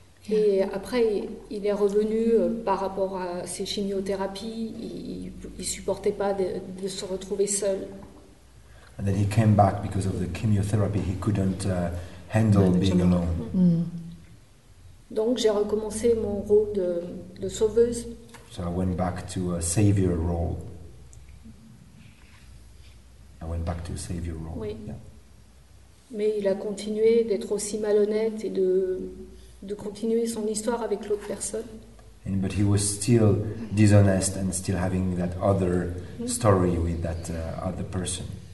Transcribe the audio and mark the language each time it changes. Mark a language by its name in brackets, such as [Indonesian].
[French] Et après, il est revenu par rapport à ses chimiothérapies. Il supportait pas de se retrouver seul. [English] And then he came back because of the chemotherapy. He couldn't handle being alone. Mm. [French] Donc, j'ai recommencé mon rôle de sauveuse. [English] So I went back to a savior role. I went back to a savior role. [French] Oui. [English] Yeah. [French] Mais il a continué d'être aussi malhonnête et de continuer son histoire avec l'autre personne. [English] And, but he was still dishonest and still having that other story with that other person.